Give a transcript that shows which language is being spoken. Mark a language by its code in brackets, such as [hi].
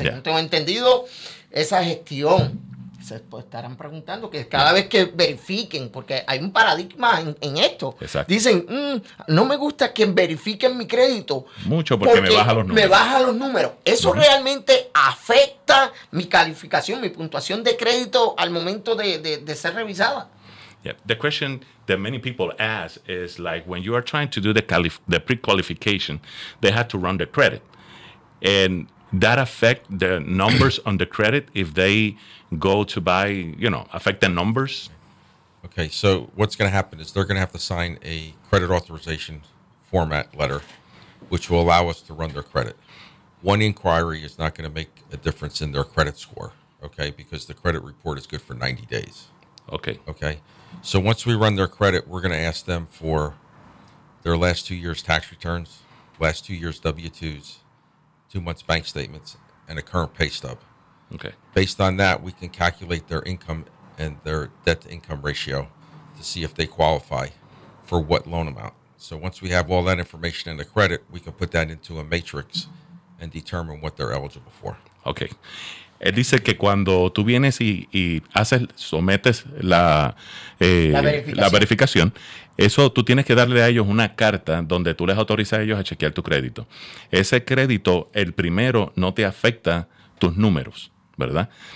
[es] Según tengo entendido, esa gestión, se estarán preguntando que cada vez que verifiquen, porque hay un paradigma en esto. Exacto. Dicen, no me gusta que verifiquen mi crédito. Mucho, porque me baja los números. Me baja los números. ¿Eso realmente afecta mi calificación, mi puntuación de crédito al momento de ser revisada? [en] Yeah. The question that many people ask is like when you are trying to do the pre-qualification, they have to run the credit. And that affect the numbers on the credit if they go to buy, you know, affect the numbers. Okay, so what's going to happen is they're going to have to sign a credit authorization format letter, which will allow us to run their credit. One inquiry is not going to make a difference in their credit score, okay, because the credit report is good for 90 days. Okay. Okay. So once we run their credit, we're going to ask them for their last 2 years tax returns, last 2 years W-2s, 2 months bank statements, and a current pay stub. Okay. Based on that, we can calculate their income and their debt-to-income ratio to see if they qualify for what loan amount. So once we have all that information in the credit, we can put that into a matrix and determine what they're eligible for. Okay. [es] Él dice que cuando tú vienes y haces, sometes la verificación, eso tú tienes que darle a ellos una carta donde tú les autorizas a ellos a chequear tu crédito. Ese crédito, el primero, no te afecta tus números, ¿verdad?